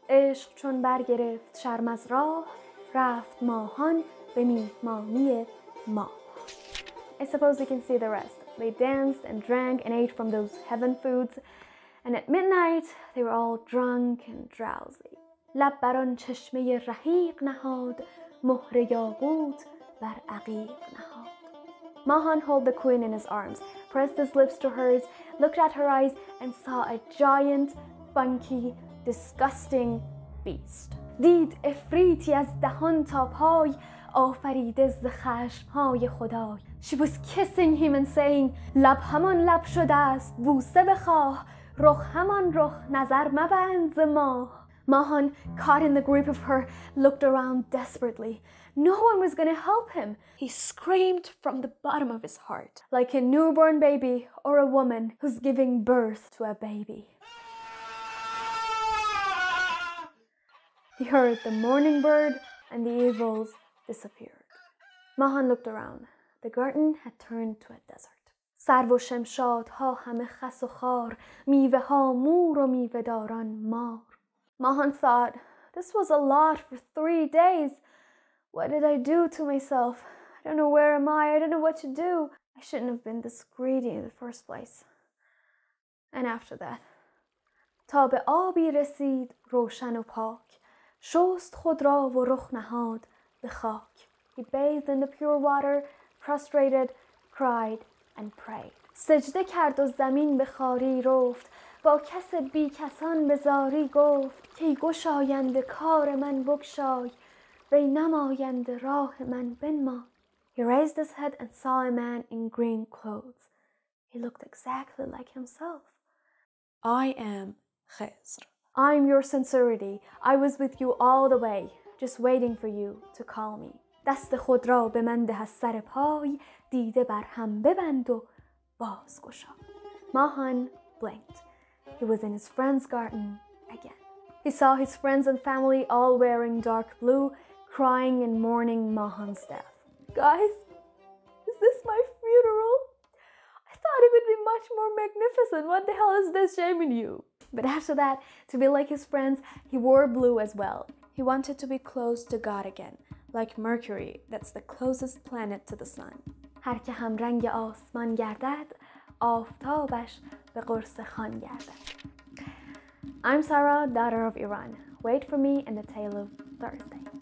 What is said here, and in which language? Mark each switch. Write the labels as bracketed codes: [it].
[fa] Ishq chun bargirift sharm az rah, raft mahan be mehmani mah." [en] I suppose you can see the rest. They danced and drank and ate from those heaven foods. And at midnight, they were all drunk and drowsy. [fa] لب بران چشمه رحیق نهاد مهر یاقوت بر عقیق نهاد. [en] Mahan held the queen in his arms, pressed his lips to hers, looked at her eyes, and saw a giant, funky, disgusting beast. [fa] دید افریتی از دهان تا پای آفریده ز خشمهای خدای. [en] She was kissing him and saying, [fa] لب همان لب شده است بوسه بخواه رخ همان رخ نظر مبند ز ماه. [en] Mahan, caught in the grip of her, looked around desperately. No one was going to help him. He screamed from the bottom of his heart, like a newborn baby or a woman who's giving birth to a baby. He heard the mourning bird and the evils disappeared. Mahan looked around. The garden had turned to a desert. [fa] سرو و شمشادها همه خس و خار میوه ها مور و میوه داران ماه. [en] Mahan thought, this was a lot for 3 days. What did I do to myself? I don't know where am I don't know what to do. I shouldn't have been this greedy in the first place. And after that. [fa] تا به آبی رسید روشن و پاک شست خود را و رخ نهاد به خاک. [en] He bathed in the pure water, prostrated, cried, and prayed. [fa] سجده کرد و زمین به خاری رفت با کس بی کسان به زاری گفت که گشایند کار من بگشای وی نمایند راه من بنما. [en] He raised his head and saw a man in green clothes. He looked exactly like himself. I am Khizr. I'm your sincerity. I was with you all the way, just waiting for you to call me. [fa] دست خود را به من ده از سر پای دیده بر هم ببند و باز گشا. [en] Mahan blinked. He was in his friend's garden again. He saw his friends and family all wearing dark blue, crying and mourning Mahan's death. Guys, is this my funeral? I thought it would be much more magnificent. What the hell is this shaming you? But after that, to be like his friends, he wore blue as well. He wanted to be close to God again, like Mercury, that's the closest planet to the sun. [fa] هر که هم رنگ آسمان گردد، آفتابش به قرص خان گردد. [en] I'm Sara, daughter of Iran. Wait for me in the tale of Thursday.